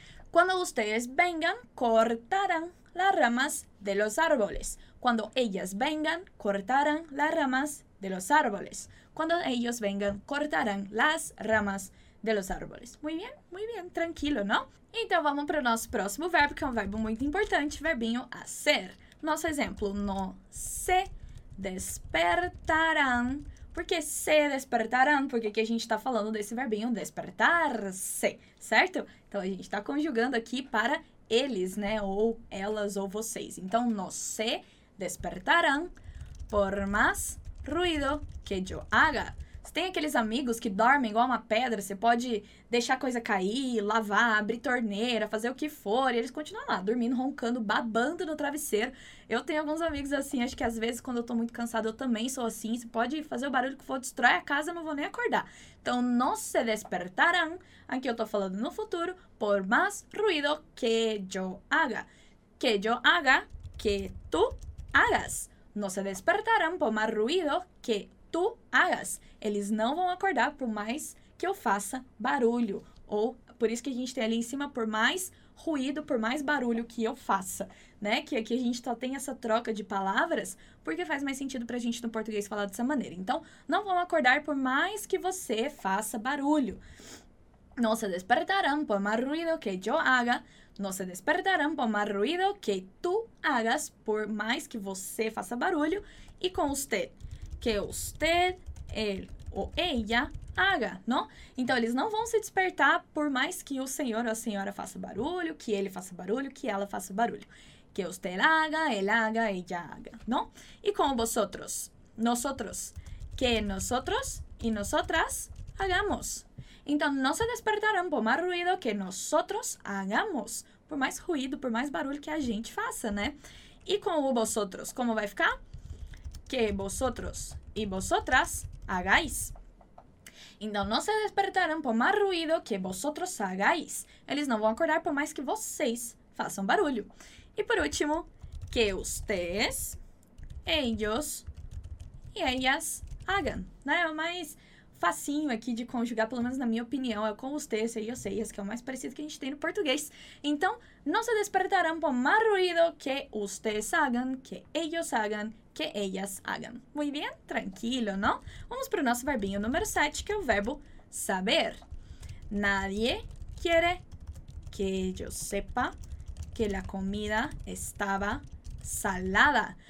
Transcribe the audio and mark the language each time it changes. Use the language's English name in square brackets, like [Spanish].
[Spanish] Quando ustedes vengan, cortarán las ramas de los árboles. Quando ellas vengan, cortarán las ramas de los árboles. Quando ellos vengan, cortarán las ramas de los árboles. Muy bien, tranquilo, ¿no? [Portuguese] Então, vamos para o nosso próximo verbo, que é um verbo muito importante, verbinho hacer. Nosso exemplo, [Spanish] no se despertarán. [Portuguese] Por que se despertarán? Porque aqui a gente está falando desse verbinho despertar-se, certo? Então, a gente está conjugando aqui para eles, né? Ou elas ou vocês. [Spanish] Então, no se despertarán por más ruido que yo haga. [Portuguese] Você tem aqueles amigos que dormem igual uma pedra, você pode deixar a coisa cair, lavar, abrir torneira, fazer o que for, e eles continuam lá, dormindo, roncando, babando no travesseiro. Eu tenho alguns amigos assim, acho que às vezes quando eu tô muito cansado eu também sou assim, você pode fazer o barulho que for, destrói a casa, eu não vou nem acordar. [Spanish] Então, no se despertarán, [Portuguese] aqui eu tô falando no futuro, [Spanish] por más ruido que yo haga. Que yo haga, que tú hagas. No se despertarán por más ruido que tu hagas. [Portuguese] Eles não vão acordar por mais que eu faça barulho. Ou, por isso que a gente tem ali em cima, por mais ruído, por mais barulho que eu faça, né? Que aqui a gente só tem essa troca de palavras, porque faz mais sentido pra gente no português falar dessa maneira. Então, não vão acordar por mais que você faça barulho. [Spanish] No se despertarán por más ruido que yo haga. No se despertarán por más ruido que tu hagas, [Portuguese] por mais que você faça barulho. [Spanish] E com usted, que usted, él ou ella haga, não? [Portuguese] Então, eles não vão se despertar por mais que o senhor ou a senhora faça barulho, que ele faça barulho, que ela faça barulho. [Spanish] Que usted haga, él haga, ella haga, não? E com vosotros, nosotros, que nosotros e nosotras hagamos. Então, no se despertarán por más ruido que nosotros hagamos. [Portuguese] Por mais ruído, por mais barulho que a gente faça, né? E com o vosotros, como vai ficar? [Spanish] Que vosotros e vosotras hagáis. [Portuguese] Então, não se despertarão por mais ruído que [Spanish] vosotros hagáis. [Portuguese] Eles não vão acordar por mais que vocês façam barulho. [Spanish] E por último, que ustedes, ellos e ellas hagan. [Portuguese] Né? O mais facinho aqui de conjugar, pelo menos na minha opinião, é com ustedes, ellos e ellas, que é o mais parecido que a gente tem no português. Então, não se despertarão por mais ruído que ustedes hagan, que ellos hagan, que ellas hagan. [Spanish] Muy bien? Tranquilo, [Portuguese] não? Vamos para o nosso verbinho número 7, que é o verbo saber. [Spanish] Nadie quiere que yo sepa que la comida estaba salada.